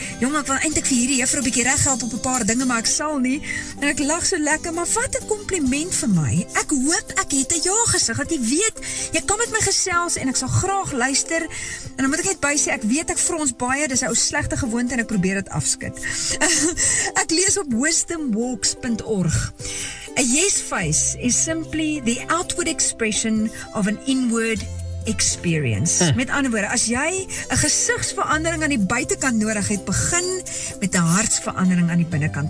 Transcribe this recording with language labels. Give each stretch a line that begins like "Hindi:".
Afrikaans: Jong, ek wil eintlik vir hierdie juffrou 'n bietjie reg help op 'n paar dinge, maar ek sal nie. En ek lag so lekker, maar wat 'n kompliment vir my. Ek hoop ek het 'n ja gesig, dat jy weet, jy kan met my gesels en ek sal graag luister. En dan moet ek net bysê, ek weet ek frons baie, dis 'n ou slegte gewoonte en ek probeer dit afskud. Ek lees op wisdomwalks.org.
English: A yes face is simply the outward expression of an inward experience.
Afrikaans: Met ander woorde, as jy 'n gesigsverandering aan die buitekant nodig het, begin met 'n hartsverandering aan die binnekant.